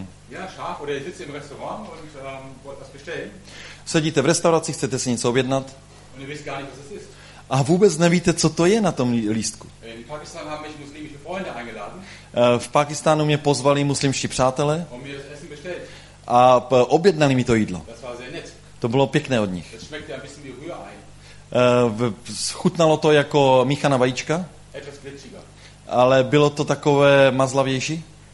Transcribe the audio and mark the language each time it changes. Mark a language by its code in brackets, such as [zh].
[de] Ja, šarf, oder ihr sitzt im Restaurant und wollt was bestellen. [cs] Sedíte v restauraci, chcete si něco objednat. [de] Und ihr wisst gar nicht, was es ist. [cs] A vůbec nevíte, co to je na tom lístku. [de] In Pakistan haben mich muslimische Freunde eingeladen. [cs] V Pakistánu mě pozvali muslimští přátelé. [de] Und mir das Essen bestellt. [cs] A objednali mi to jídlo. [de] Das war sehr nett. [cs] To bylo pěkné od nich. [de] Das schmeckte ein bisschen wie Rührei. [cs] Chutnalo to jako míchaná vajíčka. [de] Etwas glitschiger. [cs] Ale bylo to takové mazlavější.